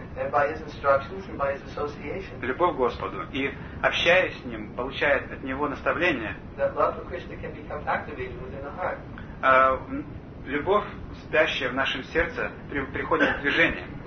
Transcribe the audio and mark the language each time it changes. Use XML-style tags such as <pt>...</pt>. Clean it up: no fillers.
<en>And by his instructions and by his association.</en> <ru>Любовь к Господу. И общаясь с ним, получает от него наставление.</ru> <en>That love for Krishna can become activated within the heart.</en> <ru>Любовь, спящая в нашем сердце, приходит в движение.</ru>